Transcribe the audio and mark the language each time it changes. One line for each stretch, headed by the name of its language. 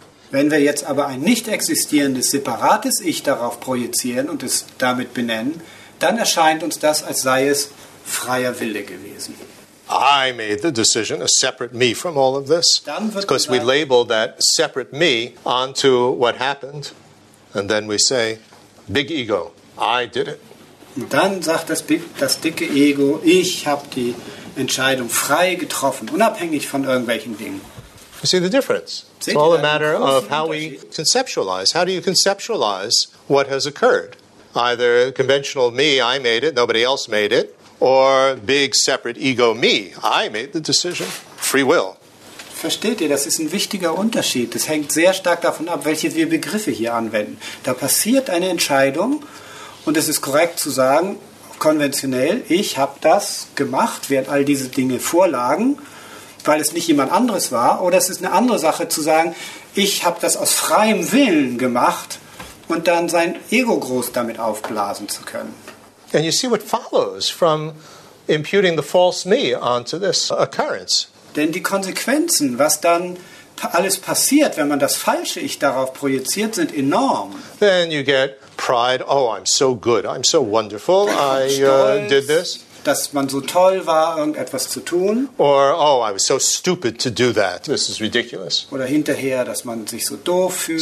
German: Wenn wir jetzt aber ein nicht existierendes, separates Ich darauf projizieren und es damit benennen, dann erscheint uns das, als sei es freier Wille gewesen.
English: I made the decision, a separate me from all of this. Because we label that separate me onto what happened. And then we say, big ego, I did it.
German: Und dann sagt das dicke Ego, ich habe die Entscheidung frei getroffen, unabhängig von irgendwelchen Dingen.
English: You see the difference? It's all a matter of how we conceptualize. How do you conceptualize what has occurred? Either conventional me, I made it, nobody else made it. Or big separate ego me. I made the decision. Free will.
German: Versteht ihr, das ist ein wichtiger Unterschied. Das hängt sehr stark davon ab, welche wir Begriffe hier anwenden. Da passiert eine Entscheidung und es ist korrekt zu sagen, konventionell, ich habe das gemacht, während all diese Dinge vorlagen, weil es nicht jemand anderes war. Oder es ist eine andere Sache zu sagen, ich habe das aus freiem Willen gemacht und dann sein Ego groß damit aufblasen zu können.
English: And you see what follows from imputing the false me onto this occurrence.
German: Denn die Konsequenzen, was dann alles passiert, wenn man das falsche Ich darauf projiziert, sind enorm.
English: Then you get pride. Oh, I'm so good. I'm so wonderful. I did this.
German: Dass man so toll war, irgendetwas zu tun.
English: Or, oh, I was so stupid to do that. This is ridiculous.
German: Oder hinterher, dass man sich so doof fühlt.